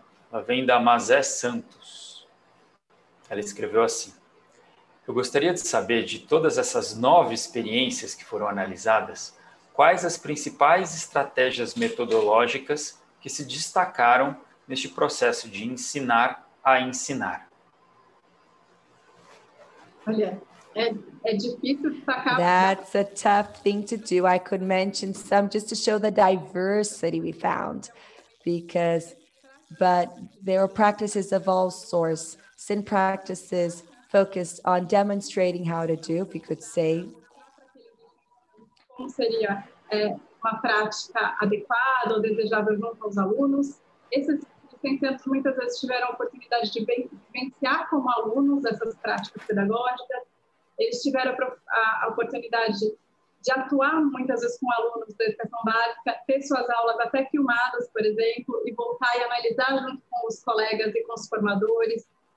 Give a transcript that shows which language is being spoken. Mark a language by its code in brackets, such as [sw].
[pt] Ela vem da Mazé Santos. Ela escreveu assim: eu gostaria de saber, de todas essas 9 experiências que foram analisadas, quais as principais estratégias metodológicas que se destacaram neste processo de ensinar a ensinar? Olha, é difícil destacar... [en] That's a tough thing to do. I could mention some just to show the diversity we found. But there are practices of all sorts. Sin practices... focused on demonstrating how to do, we could say. [pt] Como seria uma prática adequada ou desejável junto aos alunos? Esses centros muitas vezes tiveram a oportunidade de vivenciar como alunos essas práticas pedagógicas. Eles tiveram a oportunidade de atuar muitas vezes com alunos da educação básica, ter suas aulas até filmadas, por exemplo, e voltar e analisar junto com os colegas e com os formadores.